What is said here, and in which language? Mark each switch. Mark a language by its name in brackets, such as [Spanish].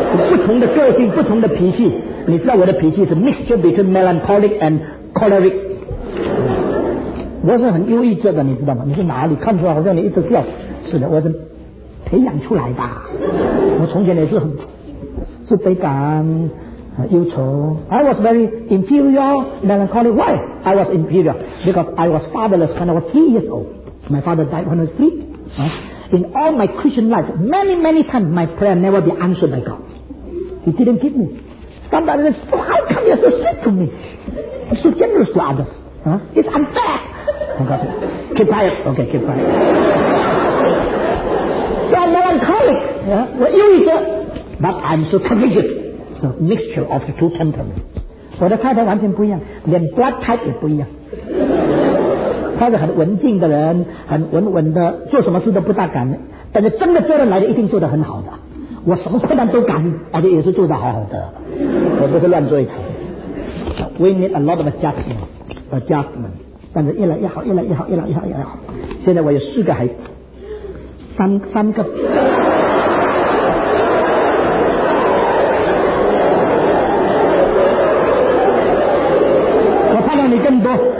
[Chinese] 不同的个性，不同的脾气，你知道我的脾气是 [English] mixture between melancholic and choleric。 [Chinese] 我是很忧郁症的，你知道吗？你是哪里看出来好像你一直笑？是的，我是培养出来的。我从前也是很自卑感、忧愁。 [English] I was very inferior, melancholy. Why? I was inferior because I was fatherless when I was 3 years old. My father died when I was 3. In all my Christian life, many, many times my prayer never be answered by God. He didn't give me. Sometimes I said, so how come you're so sweet to me? You're so generous to others. It's unfair. Keep quiet. Okay, keep quiet. So I'm melancholic. Yeah. But I'm so courageous. So mixture of the two temperaments. [Chinese] 我的太太完全不一样，连 blood type 也不一样。她是很文静的人，很稳稳的，做什么事都不大敢。但是真的责任来的，一定做得很好的。我什么困难都敢，而且也是做得好好的。我不是乱做一通。 [English] We need a lot of adjustment. [Chinese] 但是越来越好，越来越好，越来越好，越来越好。现在我有四个孩子，三个。我盼望你更多。